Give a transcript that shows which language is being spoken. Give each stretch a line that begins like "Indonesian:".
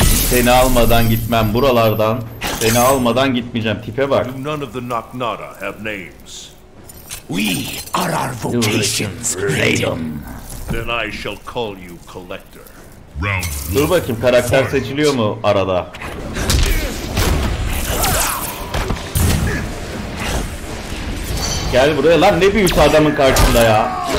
Turkish: Seni almadan gitmem buralardan. Seni almadan gitmeyeceğim, tipe bak.
English: None of the Naknara have names. We are our vocations, Raiden. Then I shall call you collector.
Turkish: Dur bakayım, karakter seçiliyor mu arada? Gel buraya lan, ne büyük adamın karşısında ya.